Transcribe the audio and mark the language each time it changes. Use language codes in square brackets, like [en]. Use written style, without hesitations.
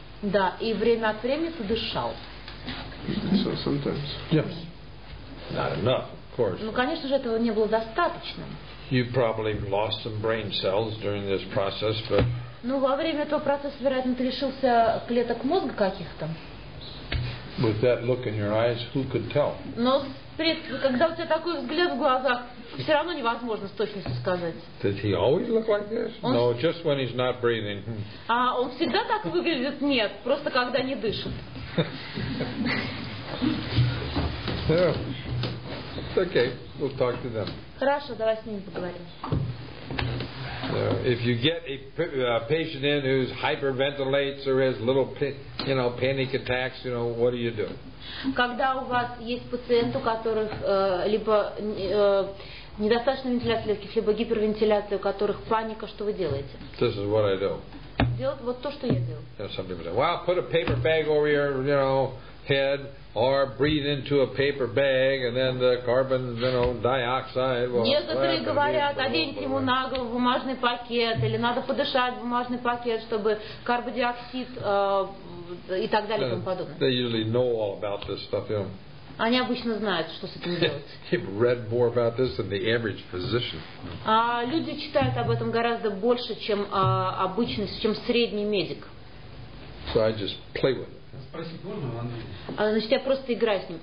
[ru] Да, и время от времени ты дышал. [en] So sometimes. Yes. Not enough, of course. [ru] Ну, конечно же, этого не было достаточно. [en] You probably lost some brain cells during this process, but. [ru] Ну, во время этого процесса, вероятно, ты лишился клеток мозга каких-то. [en] With that look in your eyes, who could tell? [ru] Но когда у тебя такой взгляд в глазах, все равно невозможно с точностью сказать. [en] Does he always look like this? No, just when he's not breathing. [ru] А он всегда так выглядит? Нет, просто когда не дышит. [en] Yeah. Okay, we'll talk to them. [ru] Хорошо, давай с ними поговорим. [en] So if you get a patient in who's hyperventilates or has little, you know, panic attacks, you know, what do you do? [ru] Когда у вас есть пациент, у которых либо недостаточно вентиляции легких, либо гипервентиляция, у которых паника, что вы делаете? [en] This is what I do. [ru] Делать вот то, что я делаю. [en] You know, some people say, well, put a paper bag over your, you know, head, or breathe into a paper bag, and then the carbon, you know, dioxide. Well, [ru] некоторые говорят, оденьте ему на голову бумажный пакет, или надо подышать в бумажный пакет, чтобы карбодиоксид и так далее и тому подобное. [en] They usually know all about this stuff, you know. [ru] Они обычно знают, что с этим делать. [en] They've read more about this than the average physician. [ru] Люди читают об этом гораздо больше, чем обычный, чем средний медик. [en] So I just play with it. [ru] Значит, я просто играю с ним.